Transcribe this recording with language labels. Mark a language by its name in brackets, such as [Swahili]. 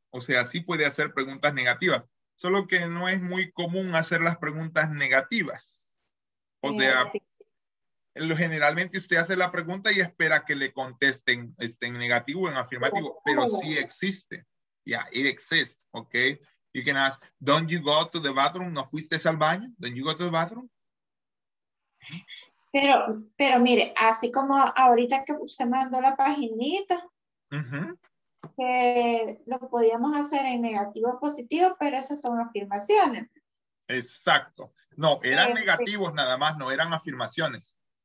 [Spanish] O sea, sí puede hacer preguntas negativas, solo que no es muy común hacer las preguntas negativas. O sea, generalmente usted hace la pregunta y espera que le contesten en negativo o en afirmativo, pero sí existe. [English] Yeah, it exists, okay? You can ask, don't you go to the bathroom? [Spanish] ¿No fuiste al baño? [English] Don't you go to the bathroom? [Spanish] Pero mire, así como ahorita que usted mandó la paginita, que lo podíamos hacer en negativo o positivo, pero esas son afirmaciones. Exacto. No, eran negativos nada más, no eran afirmaciones.